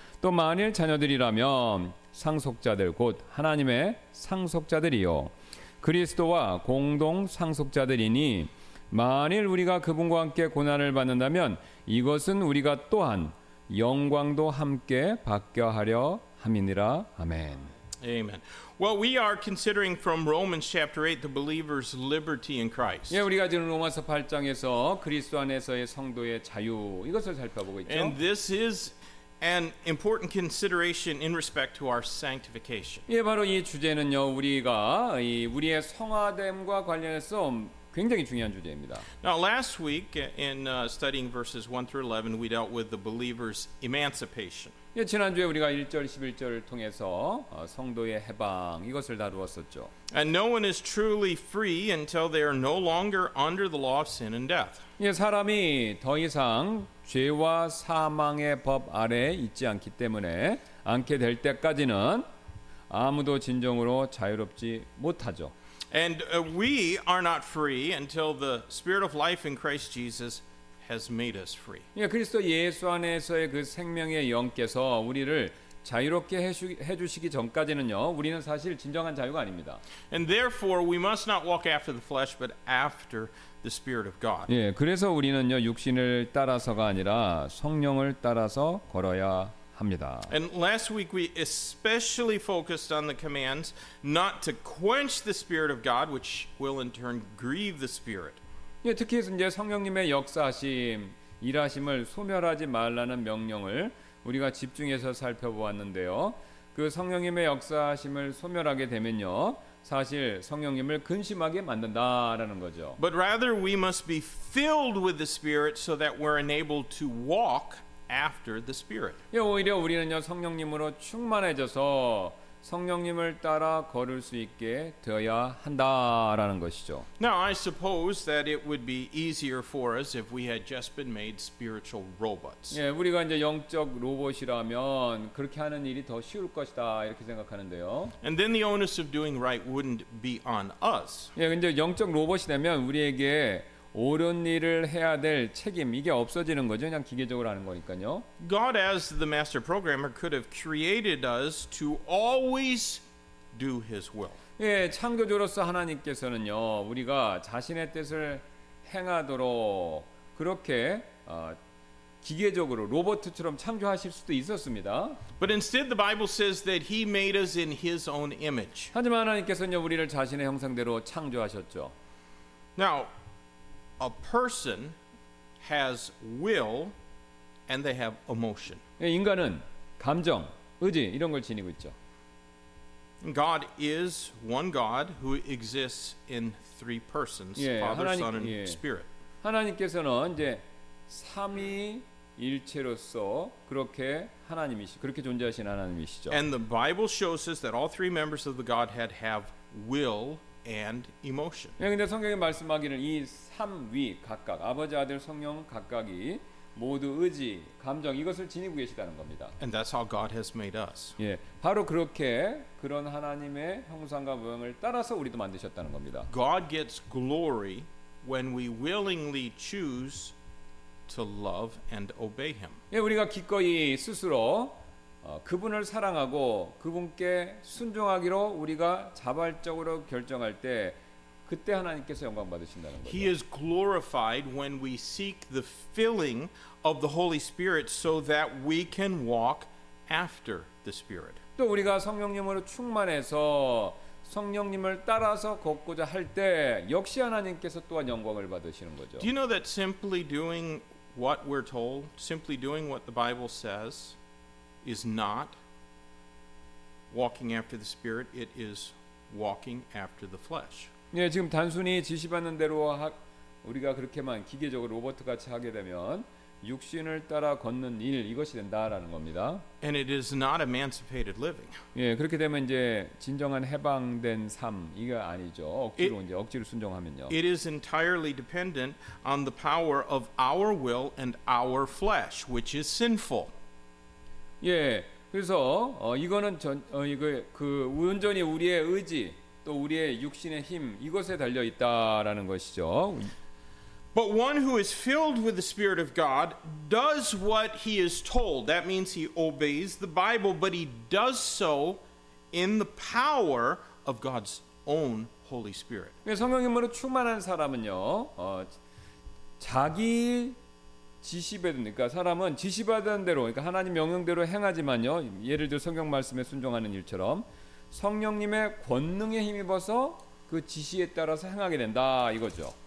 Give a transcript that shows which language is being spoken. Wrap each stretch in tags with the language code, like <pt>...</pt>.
<ko>또 만일 자녀들이라면 상속자들 곧 하나님의 상속자들이요 그리스도와 공동 상속자들이니 만일 우리가 그분과 함께 고난을 받는다면 이것은 우리가 또한 영광도 함께 받게 하려 함이니라. 아멘.</ko> <en>Amen. Well, we are considering from Romans chapter 8 the believer's liberty in Christ.</en> <ko>예, 우리가 지금 로마서 8장에서 그리스도 안에서의 성도의 자유 이것을 살펴보고 있죠.</ko> <en>And this is an important consideration in respect to our sanctification.</en> <ko>예, 바로 이 주제는요, 우리가 이 우리의 성화됨과 관련해서 굉장히 중요한 주제입니다.</ko> <en>Now, last week in studying verses 1 through 11, we dealt with the believer's emancipation.</en> <ko>예, 지난주에 우리가 1절, 11절을 통해서 성도의 해방 이것을 다루었었죠.</ko> <en>And no one is truly free until they are no longer under the law of sin and death.</en> <ko>예, 사람이 더 이상 죄와 사망의 법 아래에 있지 않기 때문에 앉게 될 때까지는 아무도 진정으로 자유롭지 못하죠.</ko> <en>And we are not free until the Spirit of life in Christ Jesus has made us free.</en> <ko>예, 그리스도 예수 안에서의 그 생명의 영께서 우리를 자유롭게 해주시기 전까지는요, 우리는 사실 진정한 자유가 아닙니다.</ko> <en>And therefore we must not walk after the flesh but after the Spirit of God.</en> <ko>예, 그래서 우리는요, 육신을 따라서가 아니라 성령을 따라서 걸어야 합니다.</ko> <en>And last week we especially focused on the commands not to quench the Spirit of God, which will in turn grieve the Spirit.</en> <ko>예, 특히 이제 성령님의 역사하심, 일하심을 소멸하지 말라는 명령을 우리가 집중해서 살펴보았는데요. 그 성령님의 역사하심을 소멸하게 되면요, 사실 성령님을 근심하게 만든다라는 거죠.</ko> <en>But rather we must be filled with the Spirit so that we're enabled to walk after the Spirit.</en> <ko>예, 오히려 우리는요, 성령님으로 충만해져서 성령님을 따라 걸을 수 있게 되어야 한다라는 것이죠.</ko> <en>Now I suppose that it would be easier for us if we had just been made spiritual robots.</en> <ko>예, 우리가 이제 영적 로봇이라면 그렇게 하는 일이 더 쉬울 것이다 이렇게 생각하는데요.</ko> <en>And then the onus of doing right wouldn't be on us.</en> <ko>예, 이제 영적 로봇이 되면 우리에게 옳은 일을 해야 될 책임 이게 없어지는 거죠. 그냥 기계적으로 하는 거니까요.</ko> <en>God as the master programmer could have created us to always do his will.</en> <ko>예, 창조주로서 하나님께서는요, 우리가 자신의 뜻을 행하도록 그렇게 기계적으로 로봇처럼 창조하실 수도 있었습니다.</ko> <en>But instead the Bible says that he made us in his own image.</en> <ko>하지만 하나님께서는 우리를 자신의 형상대로 창조하셨죠.</ko> <en>Now a person has will and they have emotion.</en> <ko>인간은 감정, 의지 이런 걸 지니고 있죠.</ko> <en>God is one God who exists in three persons, Father, Son, and Spirit.</en> <ko>하나님께서는 이제 삼위일체로서 그렇게 하나님이시 그렇게 존재하신 하나님이시죠.</ko> <en>And the Bible shows us that all three members of the Godhead have will and emotion.</en> <ko>예, 근데 성경에 말씀하기를 이 삼위 각각 아버지, 아들, 성령 각각이 모두 의지, 감정 이것을 지니고 계시다는 겁니다.</ko> <en>And that's how God has made us.</en> <ko>예, 바로 그렇게 그런 하나님의 형상과 모형을 따라서 우리도 만드셨다는 겁니다.</ko> <en>God gets glory when we willingly choose to love and obey him.</en> <ko>예, 우리가 기꺼이 스스로 그분을 사랑하고 그분께 순종하기로 우리가 자발적으로 결정할 때 그때 하나님께서 영광 받으신다는 거죠.</ko> <en>He is glorified when we seek the filling of the Holy Spirit so that we can walk after the Spirit.</en> <ko>또 우리가 성령님으로 충만해서 성령님을 따라서 걷고자 할 때 역시 하나님께서 또한 영광을 받으시는 거죠.</ko> <en>Do you know that simply doing what we're told, simply doing what the Bible says is not walking after the Spirit, it is walking after the flesh.</en> <ko>예, 지금 단순히 지시받는 대로 우리가 그렇게만 기계적으로 로봇같이 하게 되면 육신을 따라 걷는 일 이것이 된다라는 겁니다.</ko> <en>And it is not emancipated living.</en> <ko>예, 그렇게 되면 이제 진정한 해방된 삶 이거 아니죠. 억지로 이제 억지로 순종하면요.</ko> <en>It is entirely dependent on the power of our will and our flesh, which is sinful.</en> <ko>예, 그래서 이거는 이거 그 온전히 우리의 의지 또 우리의 육신의 힘 이것에 달려 있다라는 것이죠.</ko> <en>But one who is filled with the Spirit of God does what he is told. That means he obeys the Bible, but he does so in the power of God's own Holy Spirit.</en> <ko>성령님으로 충만한 사람은요, 자기 지시받은, 그러니까 사람은 지시받은 대로, 그러니까 하나님 명령대로 행하지만요, 예를 들어 성경 말씀에 순종하는 일처럼 성령님의 권능에 힘입어서 그 지시에 따라서 행하게 된다 이거죠.</ko>